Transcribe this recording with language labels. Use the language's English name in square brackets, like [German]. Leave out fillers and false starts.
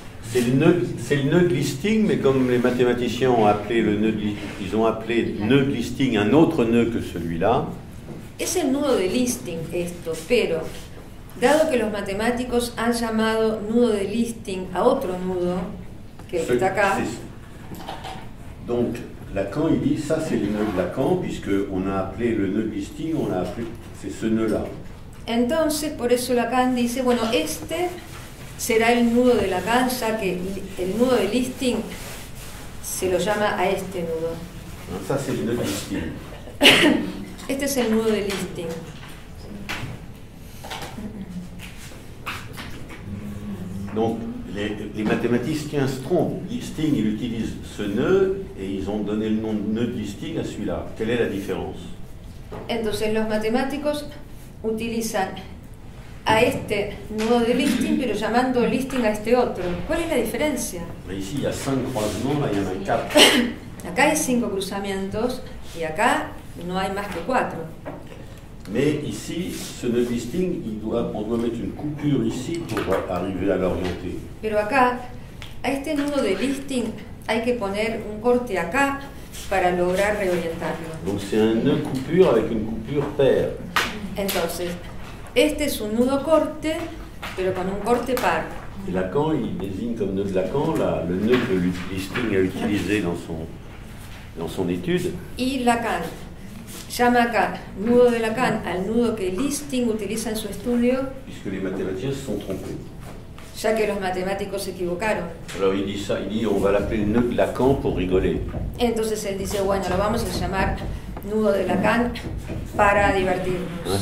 [French] C'est le nœud de Listing, mais comme les mathématiciens ont appelé nœud de Listing un autre nœud que celui-là. [Spanish] Es el nudo de Listing esto, pero dado que los matemáticos han llamado nudo de Listing a otro nudo que está acá. [French] Donc Lacan il dit ça c'est le nœud de Lacan puisque on a appelé le nœud Listing, on l'a appelé c'est ce nœud là. [Spanish] Entonces por eso Lacan dice bueno este será el nudo de Lacan ya que el nudo de Listing se lo llama a este nudo. [French] Ça c'est le nœud de Listing. [Spanish] Este es el nudo de Listing. [French] Donc, les mathématiciens se trompent. Listing, ils utilisent ce nœud et ils ont donné le nom de nœud de Listing à celui-là. Quelle est la différence? [Spanish] Entonces, los matemáticos utilizan a este nudo de Listing, pero llamando Listing a este otro. ¿Cuál es la diferencia? [French] Mais ici, il y a cinq croisements, là, il y en a quatre. [Spanish] Acá hay cinco cruzamientos y acá no hay más que cuatro. [French] Mais ici, ce nœud Listing, on doit mettre une coupure ici pour arriver à l'orienter. [Spanish] Pero acá, a este nudo de Listing, hay que poner un corte acá para lograr reorientarlo. [French] Donc c'est un nœud coupure avec une coupure pair. [Spanish] Entonces, este es un nudo corte, pero con un corte par. [French] Et Lacan, il désigne comme nœud de Lacan le nœud que Listing a utilisé dans son étude. [Spanish] Y Lacan llama acá nudo de Lacan al nudo que Listing utiliza en su estudio. [French] Puisque les mathématiciens se sont trompés. [Spanish] Ya que los matemáticos se equivocaron. [French] Alors il dit ça, il dit on va l'appeler nœud de Lacan pour rigoler. [Spanish] Entonces él dice bueno lo vamos a llamar nudo de Lacan para divertirnos.